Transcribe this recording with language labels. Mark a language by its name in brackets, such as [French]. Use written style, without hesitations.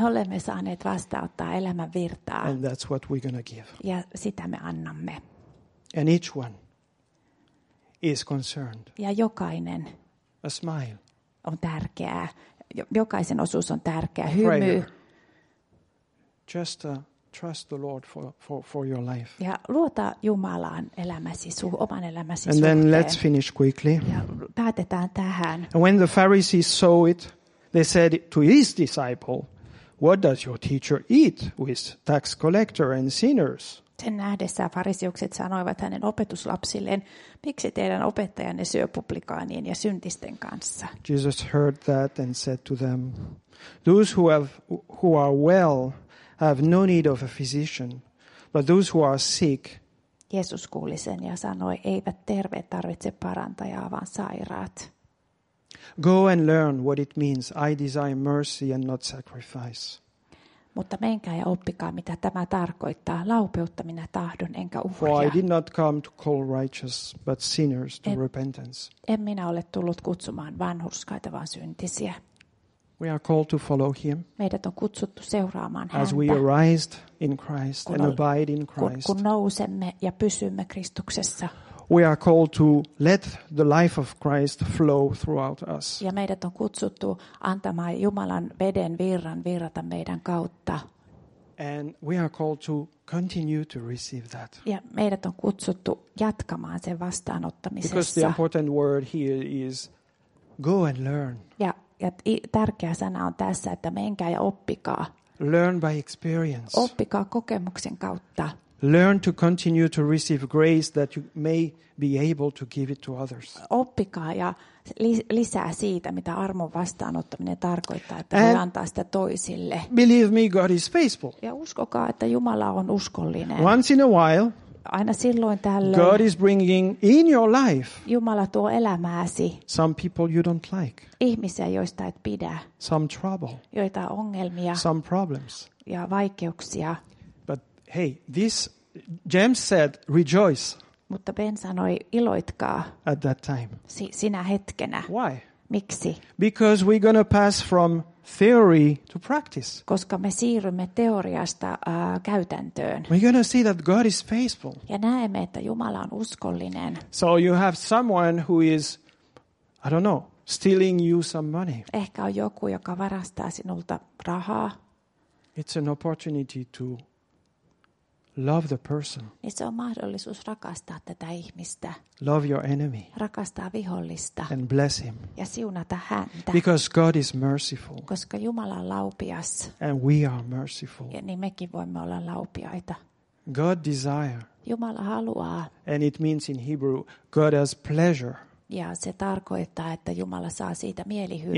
[Finnish] Me olemme saaneet vastaanottaa elämän virtaa. [English] And that's what we're going to give. [Finnish] Ja sitä me annamme. [English] And each one is concerned. [Finnish] Ja jokainen. [English] A smile. [Finnish] On tärkeää. Jokaisen osuus on tärkeä. Hymy. [English] Just a trust the Lord for your life. [Finnish] Ja luota Jumalaan elämäsi oman elämäsi suhteen. [English] And then let's finish quickly. [Finnish] Ja päätetään tähän. [English] And when the Pharisees saw it, they said to his disciple, "What does your teacher eat with tax collector and sinners?" [Finnish] Sen nähdessään fariseukset sanoivat hänen opetuslapsilleen, miksi teidän opettajanne syö publikaanien ja syntisten kanssa? [English] Jesus heard that and said to them, those who are well have no need of a physician, but those who are sick. [Finnish] Jeesus kuuli sen ja sanoi, eivät terveet tarvitse parantajaa, vaan sairaat. [English] Go and learn what it means. I desire mercy and not sacrifice. [Finnish] Mutta menkää ja oppikaa, mitä tämä tarkoittaa. Laupeutta minä tahdon, enkä uhria. [English] For I did not come to call righteous, but sinners to repentance. [Finnish] En minä ole tullut kutsumaan vanhurskaita, vaan syntisiä. [English] We are called to follow him. [Finnish] Meidät on kutsuttu seuraamaan häntä. [English] As we arise in Christ and abide in Christ. [Finnish] Kun nousemme ja pysymme Kristuksessa. [English] We are called to let the life of Christ flow throughout us. [Finnish] Ja meidät on kutsuttu antamaan Jumalan veden virran virrata meidän kautta. [English] And we are called to continue to receive that. [Finnish] Ja meidät on kutsuttu jatkamaan sen vastaanottamisessa. [English] Because the important word here is go and learn. [Finnish] Ja tärkeä sana on tässä, että menkää ja oppikaa. [English] Learn by experience. [Finnish] Oppikaa kokemuksen kautta. [English] Learn to continue to receive grace that you may be able to give it to others. [Finnish] Oppikaa ja lisää siitä, mitä armon vastaanottaminen tarkoittaa, että voi antaa sitä toisille. [English] Believe me, God is faithful. [Finnish] Ja uskokaa, että Jumala on uskollinen. [English] Once in a while, [Finnish] aina silloin tällöin, [English] God is bringing in your life. [Finnish] Jumala tuo elämääsi. [English] Some people you don't like. [Finnish] Ihmisiä, joista et pidä. [English] Some trouble. [Finnish] Joita ongelmia. [English] Some problems. [Finnish] Ja vaikeuksia. [English] Hey, this James said, rejoice. [Finnish] Mutta Ben sanoi, iloitkaa. [English] At that time. [Finnish] Sinä hetkenä. [English] Why? [Finnish] Miksi? [English] Because we're gonna pass from theory to practice. [Finnish] Koska me siirrymme teoriasta käytäntöön. [English] We're gonna see that God is faithful. [Finnish] Ja näemme, että Jumala on uskollinen. [English] So you have someone who is, I don't know, stealing you some money. [Finnish] Ehkä on joku, joka varastaa sinulta rahaa. [English] It's an opportunity to love the person. [Finnish] Niin se on mahdollisuus rakastaa tätä ihmistä. [English] Love your enemy. [Finnish] Rakastaa vihollista. [English] And bless him. [Finnish] Ja siunata häntä. [English] Because God is merciful. [Finnish] Koska Jumala on laupias. [English] And we are merciful. [Finnish] Ja niin mekin voimme olla laupiaita. [English] God desire. [Finnish] Jumala haluaa. [English] And it means in Hebrew, God has pleasure. [Finnish] Ja se tarkoittaa, että Jumala saa siitä mielihyvää.